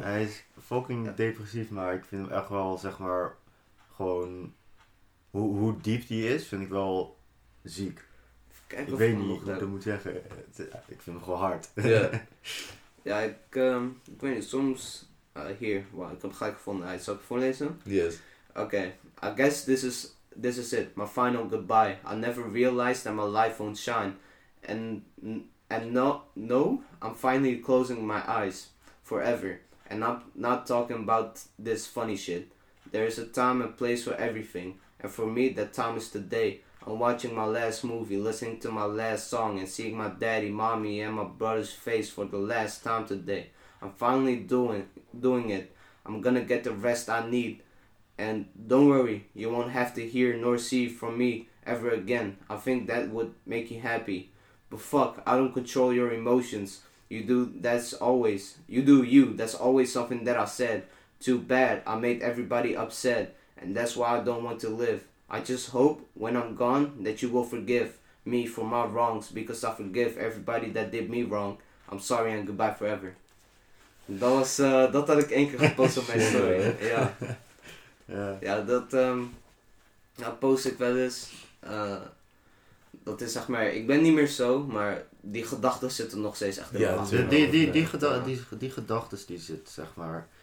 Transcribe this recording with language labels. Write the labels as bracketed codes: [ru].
[nl] Hij is fucking depressief, maar ik vind hem echt wel, zeg maar, gewoon hoe diep die is, vind ik wel ziek. Ik weet niet hoe ik dat moet zeggen. Ik vind hem gewoon hard. [en] Yeah. [nl] Ja, ik weet niet, soms. Hier, wow, ik heb gelijk gevonden. Hij zal ik voorlezen? [en] Yes. Okay, I guess this is it, my final goodbye. I never realized that my life won't shine. And no, I'm finally closing my eyes forever. And I'm not talking about this funny shit. There is a time and place for everything. And for me, that time is today. I'm watching my last movie, listening to my last song, and seeing my daddy, mommy, and my brother's face for the last time today. I'm finally doing it. I'm gonna get the rest I need. And don't worry, you won't have to hear nor see from me ever again. I think that would make you happy. But fuck, I don't control your emotions. You do you, that's always something that I said. Too bad, I made everybody upset. And that's why I don't want to live. I just hope when I'm gone that you will forgive me for my wrongs. Because I forgive everybody that did me wrong. I'm sorry and goodbye forever. [nl] Dat had ik één keer gepost op mijn story. Ja. Ja. Ja, dat post ik wel eens. Dat is zeg maar, ik ben niet meer zo, maar die gedachten zitten nog steeds echt in die gedachten zitten, zeg maar.